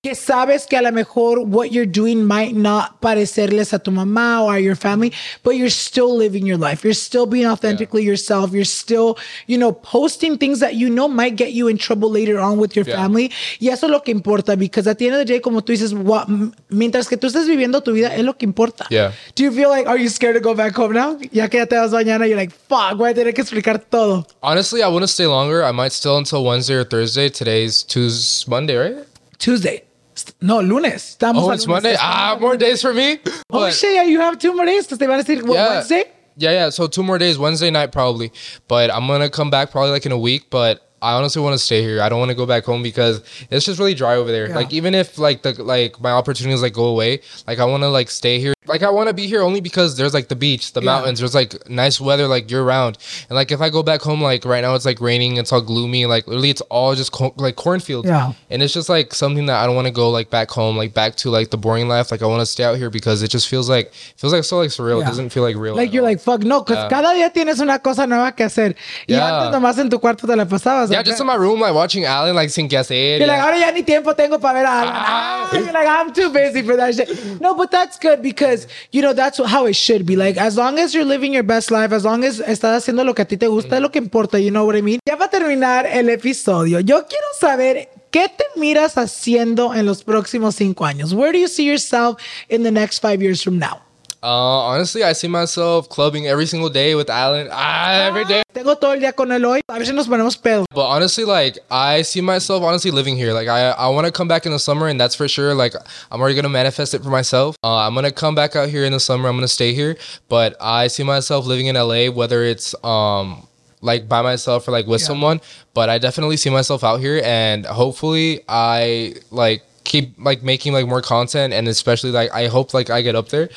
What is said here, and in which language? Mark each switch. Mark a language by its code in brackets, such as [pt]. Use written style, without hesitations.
[es] Que sabes que a lo mejor [en] what you're doing might not [es] parecerles a tu mamá [en] or your family, but you're still living your life. You're still being authentically yourself. You're still, you know, posting things that you know might get you in trouble later on with your family. [es] Y eso es lo que importa, [en] because at the end of the day, [es] como tú dices, mientras que tú estés viviendo tu vida, es lo que importa. [en] Yeah. Do you feel like, are you scared to go back home now? [es] Ya que ya te vas mañana, [en] you're like, fuck, [es] voy a tener que explicar todo. [en] Honestly, I want to stay longer. I might stay until Wednesday or Thursday. Today's Monday, right? Tuesday. No, lunes. Estamos it's lunes. Monday. More days for me. Oh, shit, yeah, you have 2 more days. [es] Te van a decir, [en] Wednesday? Yeah. So 2 more days, Wednesday night probably. But I'm going to come back probably like in a week. But I honestly want to stay here. I don't want to go back home because it's just really dry over there. Yeah. Like, even if like my opportunities like go away, like I want to like stay here. Like, I want to be here only because there's like the beach, the mountains. There's like nice weather like year round. And like, if I go back home, like right now it's like raining. It's all gloomy. Like, literally it's all just cornfields. Yeah. And it's just like something that I don't want to go like back home, like back to like the boring life. Like, I want to stay out here because it just feels like so like surreal. Yeah. It doesn't feel like real. Like, you're like, fuck no. [es] Cause cada día tienes una cosa nueva que hacer. Y antes nomás en tu cuarto te la pasabas. [en] Yeah, just in my room, like watching Alan, like [es] sin que hacer. [en] You're like, [es] ahora ya ni tiempo tengo para ver a Alan. [en] You're like, I'm too busy for that shit. No, but that's good because, you know, that's how it should be. Like, as long as you're living your best life, as long as [es] estás haciendo lo que a ti te gusta, lo que importa, [en] you know what I mean? [es] Ya va a terminar el episodio. Yo quiero saber, ¿qué te miras haciendo en los próximos 5 años? [en] Where do you see yourself in the next 5 years from now? Honestly, I see myself clubbing every single day with Alan. Every day. [es] Tengo todo el día con él hoy. A veces nos ponemos pedo. [en] But honestly, like, I see myself honestly living here. Like, I want to come back in the summer, and that's for sure. Like, I'm already going to manifest it for myself. I'm going to come back out here in the summer. I'm going to stay here. But I see myself living in LA, whether it's, like, by myself or, like, with someone. But I definitely see myself out here, and hopefully I, like, keep like making like more content, and especially like I hope like I get up there.